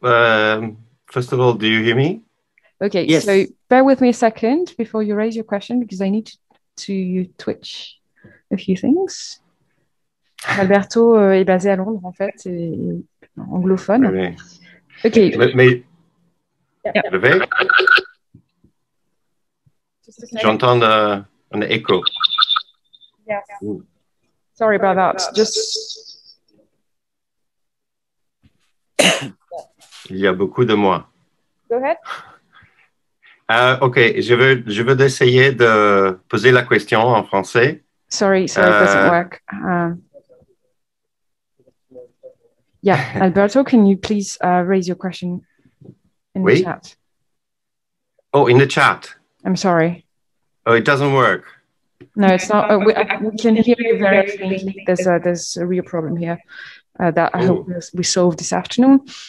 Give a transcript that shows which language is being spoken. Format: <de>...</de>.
<en>Oh, first of all, do you hear me? Okay, so Yes. bear with me a second before you raise your question because I need to twitch a few things.</en> <fr>Alberto est basé à Londres, en fait, et anglophone. Mais OK. levez. J'entends un écho.</fr> <en>Sorry about that.</en> <fr>Il y a beaucoup de moi.</fr> <en>Go ahead.</en> <fr>OK, je veux essayer de poser la question en français.</fr> <en>Sorry, it doesn't work. Yeah, Alberto, can you please raise your question in the</en> <fr>Oui.</fr> <en>chat? Oh, in the chat. I'm sorry. Oh, it doesn't work. No, it's not. We can hear you very faintly. There's a real problem here that I hope we solve this afternoon.</en>